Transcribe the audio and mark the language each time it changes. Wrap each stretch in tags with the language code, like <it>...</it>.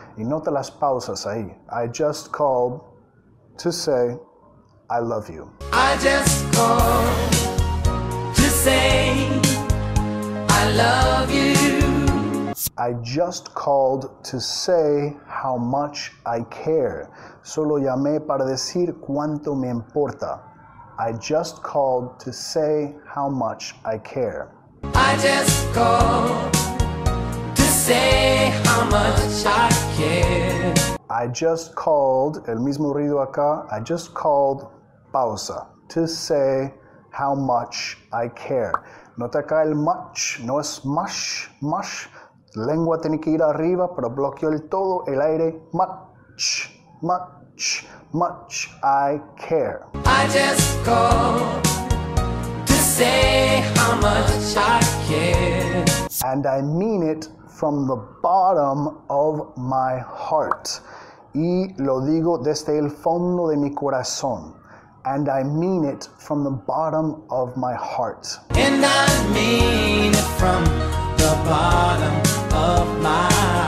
<es>Y nota las pausas ahí.</es> <en>I just called to say I love you. I just called to say I love you. I just called to say how much I care.</en> <es>Solo llamé para decir cuánto me importa.</es> <en>I just called to say how much I care. I just called to say how much I care. I just called,</en> <es>el mismo ruido acá,</es> <en>I just called, pausa, to say how much I care.</en> <es>Nota acá el much, no es mush, mush. Lengua tiene que ir arriba, pero bloqueó el todo, el aire, much, much.</es> <en>Much I care. I just called to say how much I care. And I mean it from the bottom of my heart.</en> <es>Y lo digo desde el fondo de mi corazón.</es> <en>And I mean it from the bottom of my heart. And I mean it from the bottom of my heart.</en>